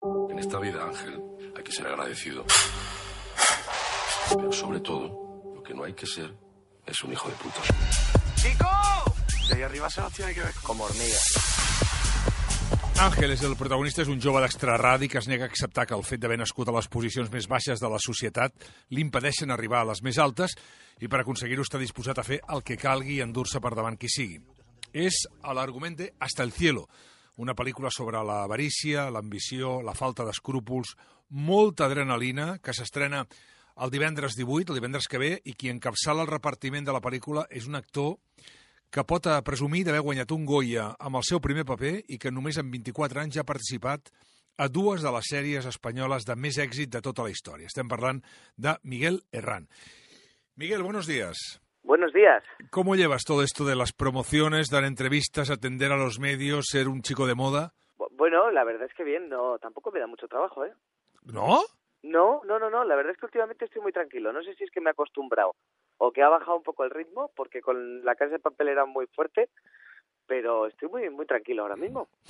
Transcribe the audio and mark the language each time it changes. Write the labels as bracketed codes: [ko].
[es] En esta vida, Ángel, hay que ser agradecido. Pero sobre todo, lo que no hay que ser es un hijo de puta. ¡Kiko! De ahí arriba se nos tiene que ver como hormigas. [ca] Ángel és el protagonista, és un jove d'extraradi que es nega a acceptar que el fet d'haver nascut a les posicions més baixes de la societat li impedeixen arribar a les més altes i per aconseguir-ho està disposat a fer el que calgui i endur-se per davant qui sigui. És a l'argument de Hasta el Cielo, una pel·lícula sobre l'avarícia, l'ambició, la falta d'escrúpols, molta adrenalina, que s'estrena el divendres 18, el divendres que ve, i qui encapçala el repartiment de la pel·lícula és un actor que pot presumir d'haver guanyat un Goya amb el seu primer paper i que només en 24 anys ha participat a dues de les sèries espanyoles de més èxit de tota la història. Estem parlant de Miguel Herrán. Miguel, [es] buenos días. Buenos días. ¿Cómo llevas todo esto de las promociones, dar entrevistas, atender a los medios, ser un chico de moda? Bueno, la verdad es que bien. No, tampoco me da mucho trabajo, ¿eh? ¿No? No. La verdad es que últimamente estoy muy tranquilo. No sé si es que me he acostumbrado o que ha bajado un poco el ritmo, porque con La Casa de Papel era muy fuerte, pero estoy muy, muy tranquilo ahora mismo.